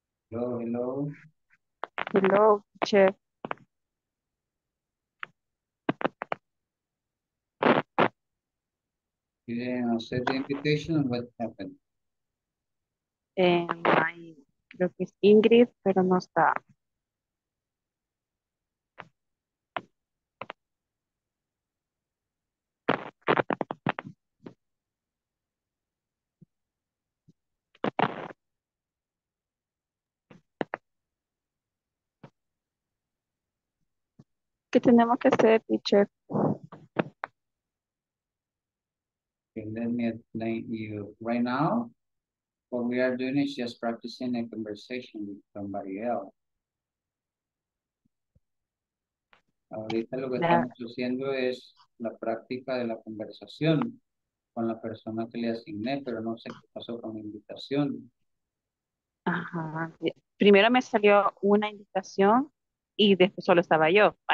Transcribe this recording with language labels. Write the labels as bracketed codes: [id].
[en] Hello, hello. Hello, chef. You didn't accept the invitation, or what happened? [es] My, creo que es Ingrid, pero no está. ¿Qué tenemos que hacer, teacher? [en] Okay, let me explain you right now. What we are doing is just practicing a conversation with somebody else. [es] Ahorita lo que estamos haciendo es la práctica de la conversación con la persona que le asigné, pero no sé qué pasó con la invitación. Ajá. Primero me salió una invitación y después solo estaba yo.